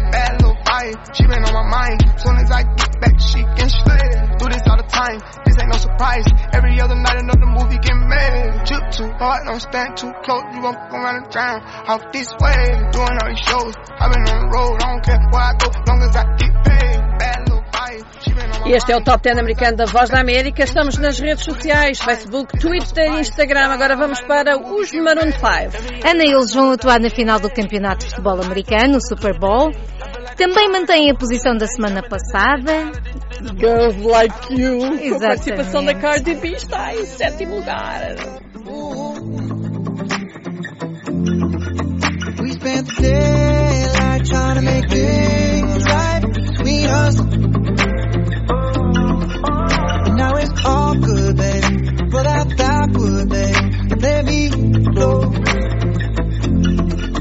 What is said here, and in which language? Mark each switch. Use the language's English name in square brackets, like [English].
[English] Bad little vibe, she been on my mind. Soon as I get back, she can slay. Do this all the time, this ain't no surprise. Every other night, another movie get made. Drip too hard, don't stand too close. You gon' fuck around and drown. Off this way, doing all these shows. I've been on the road, I don't care where I go, long as I get paid. Bad little. [Portuguese] E este é o Top 10 americano da Voz da América. Estamos nas redes sociais, Facebook, Twitter e Instagram. Agora vamos para os Maroon 5. Ana, eles vão atuar na final do campeonato de futebol americano, o Super Bowl. Também mantém a posição da semana passada. [English] Girls Like You. [Portuguese] Exatamente. Com a participação da Cardi B está em 7º lugar. [English] We spent the daylight trying to make things right between us. Now it's all good, baby. But I thought would they let me know?